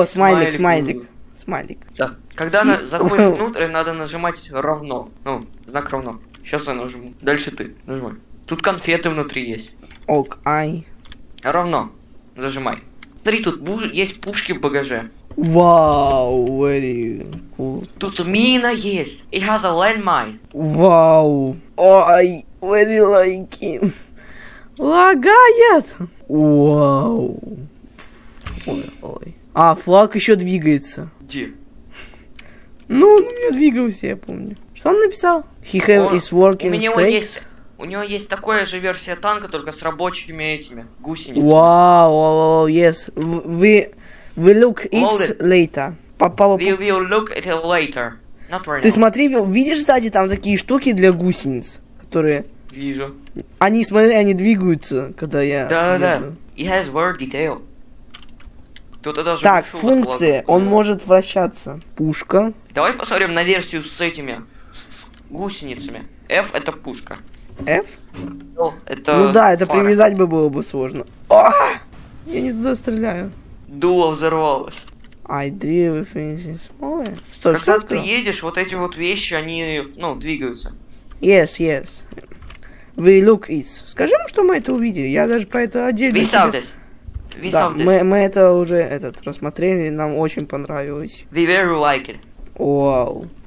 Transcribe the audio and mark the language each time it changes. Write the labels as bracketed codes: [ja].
[ru] о, смайлик. Да. Когда она заходит внутрь, надо нажимать равно. Ну, знак равно. Сейчас я нажму. Дальше ты. Нажимай. Тут конфеты внутри есть. Ок, ай. Равно. Зажимай. Смотри, тут есть пушки в багаже. [en] Вау, very cool. [ru] Тут мина есть. [en] It has a landmine. [ru] Вау. [en] Ой, very like him. [ru] Лагает. Вау. Ой. А, флаг еще двигается. Где? Ну, он у меня двигался, я помню. Что он написал? [en] He have is working tricks. [ru] У него есть такая же версия танка, только с рабочими этими гусеницами. [en] Вау, wow, yes. We look it later. We'll look at it later. Not right [ru] ты [en] now. [ru] Смотри, видишь, кстати, там такие штуки для гусениц, которые... Вижу. Они, смотри, они двигаются, когда я... Да-да-да. [en] It has word detail. [ru] Тут это даже... Так, функция. Он может вращаться. Пушка. Давай посмотрим на версию с этими... С гусеницами. F — это пушка. F? Это... Ну да, это фара. Привязать бы было бы сложно. О! Я не туда стреляю. Дуло взорвалось. [en] I drive everything small. [ru] Стой, когда что-то? Ты едешь, вот эти вот вещи, они, ну, двигаются. [en] Yes, yes. We look it. [ru] Скажи ему, что мы это увидели. Я даже про это отдельно... [en] We saw this. We [ru] да, [en] saw this. [ru] Мы это уже этот рассмотрели, нам очень понравилось. [en] We very like it. Wow.